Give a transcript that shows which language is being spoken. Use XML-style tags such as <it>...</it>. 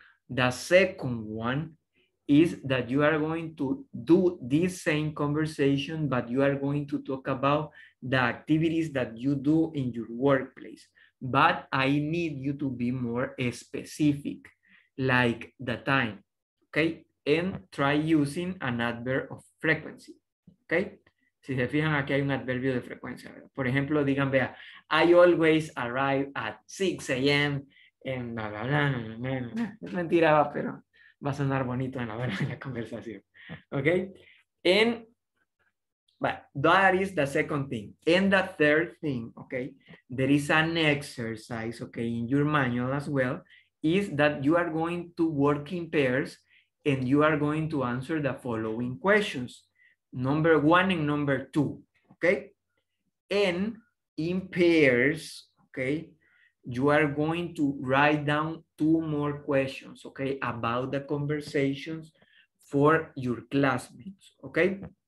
<en>The second one is that you are going to do this same conversation, but you are going to talk about the activities that you do in your workplace. But I need you to be more specific, like the time, okay? And try using an adverb of frequency. Okay.</en> <es>Si se fijan, aquí hay un adverbio de frecuencia. Por ejemplo, digan, vea,</es> <en>I always arrive at 6 a.m.</en> <es>en bla, bla, bla, bla, bla. Es mentira, pero va a sonar bonito en la conversación.</es> <en>Okay. And but that is the second thing. And the third thing, okay, there is an exercise, okay, in your manual as well, is that you are going to work in pairs and you are going to answer the following questions. Number one and number two, okay? And in pairs, okay, you are going to write down 2 more questions, okay, about the conversations for your classmates, okay?</en>